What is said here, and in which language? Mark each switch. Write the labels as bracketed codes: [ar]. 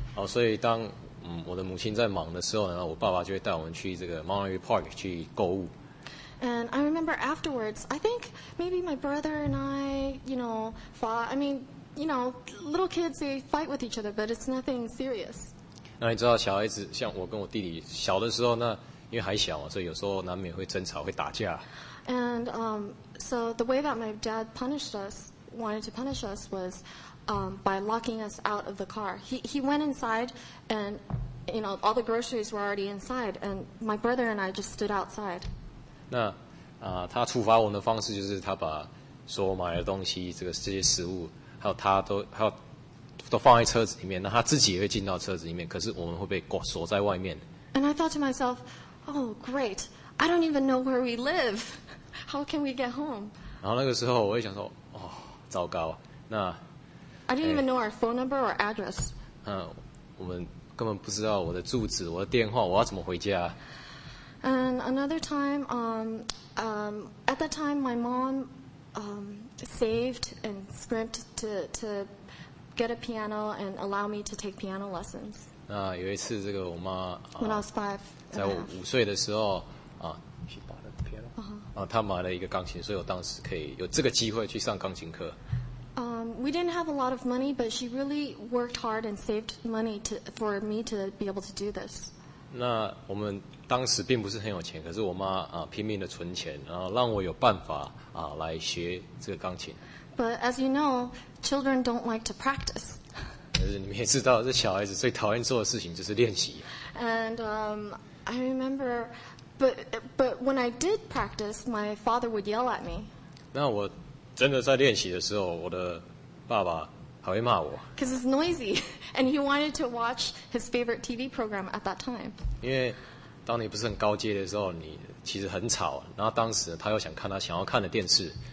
[zh] 所以当我的母亲在忙的时候呢，我爸爸就会带我们去这个 Monterey Park 去购物。 [en] And I remember afterwards, I think maybe my brother and I, fought. I mean, little kids, they fight with each other, but it's nothing serious. [zh] 那你知道小孩子，像我跟我弟弟小的时候，那因为还小嘛，所以有时候难免会争吵，会打架。 [en] And so the way that my dad wanted to punish us was by locking us out of the car. He went inside and, all the groceries were already inside, and my brother and I just stood outside. [zh] 那他处罚我们的方式就是他把所有买的东西，这些食物，还有他都放在车子里面。那他自己也会进到车子里面，可是我们会被锁在外面。 [en] And I thought to myself, oh great, I don't even know where we live. How can we get home? [zh] 然后那个时候我会想说，哦，糟糕，那 [en] I didn't even know our phone number or address. [zh] 我们根本不知道我的住址、我的电话，我要怎么回家？ [en] And another time, at that time, my mom saved and scrimped to get a piano and allow me to take piano lessons. [zh] 那有一次，这个我妈 [en] when I was five, [zh] 在我五岁的时候 [en] she bought a piano. [zh] 她买了一个钢琴，所以我当时可以有这个机会去上钢琴课。 [en] We didn't have a lot of money, but she really worked hard and saved money for me to be able to do this. [zh] 那我们。当时并不是很有钱，可是我妈拼命的存钱，然后让我有办法来学这个钢琴。 [en] But as you know, children don't like to practice. [zh] 可是你们也知道，这小孩子最讨厌做的事情就是练习。 [en] And I remember, but when I did practice, my father would yell at me. [zh] 那我真的在练习的时候，我的爸爸还会骂我。 [en] Because it's noisy, and he wanted to watch his favorite TV program at that time. [zh] 因为当你不是很高阶的时候，你其实很吵。然后当时他又想看他想要看的电视。